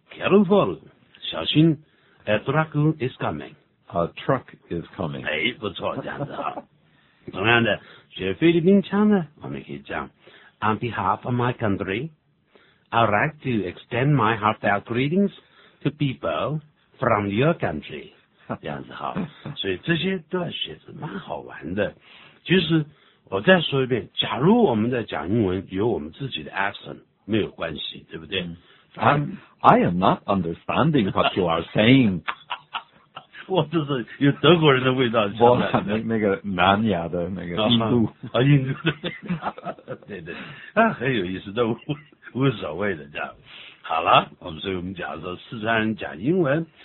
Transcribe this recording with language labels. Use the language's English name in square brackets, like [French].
[English] Be careful, 小心 a truck is coming. A truck is coming. [Chinese] 哎，不错，这样子哈。 [English] 同样的，学菲律宾腔呢，我们可以讲 On behalf of my country,I'd like to extend my heartfelt greetings to people from your country. [Chinese] 这样子哈，所以这些都要学，蛮好玩的。就是我再说一遍，假如我们在讲英文有我们自己的 accent 没有关系，对不对？ [English] I am not understanding what you are saying. [Chinese] 我就是有德国人的味道。我那个南亚的那个印度。啊，印度的。对对，啊，很有意思，都无所谓的这样。好了，我们所以我们讲说四川人讲英文。